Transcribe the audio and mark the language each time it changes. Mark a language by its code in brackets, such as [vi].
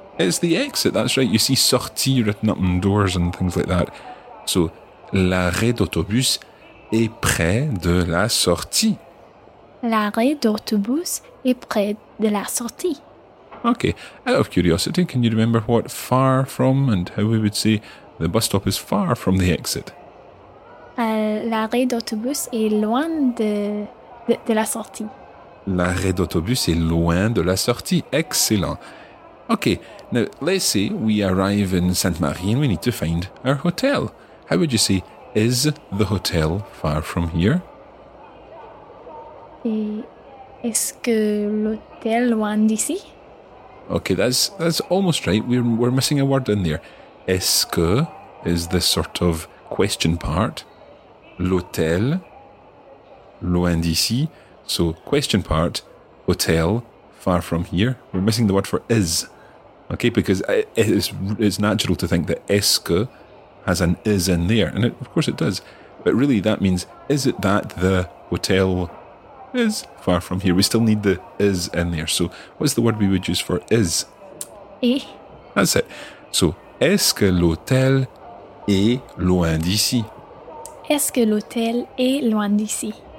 [en] It's the exit, that's right. You see sortie written up in doors and things like that. [fr] So, l'arrêt d'autobus est près de la sortie. L'arrêt d'autobus est près de la sortie. [en] Okay. Out of curiosity, can you remember what far from and how we would say the bus stop is far from the exit? L'arrêt d'autobus est loin de la sortie. L'arrêt d'autobus est loin de la sortie. Excellent. Okay. Now, let's say we arrive in Sainte-Marie and we need to find our hotel. How would you say, is the hotel far from here? [fr] Est-ce que l'hôtel loin d'ici? [en] Okay, that's almost right. We're missing a word in there. Est-ce que is the sort of question part. [fr] L'hôtel loin d'ici. [en] So, question part, hotel, far from here. We're missing the word for is. Okay, because it's natural to think that est-ce que has an is in there. And it, of course it does. But really that means, is it that the hotel is far from here. We still need the is in there. So what's the word we would use for is? [fr] Et. [en] That's it. [fr] So, est-ce que l'hôtel est loin d'ici? Est-ce que l'hôtel est loin d'ici?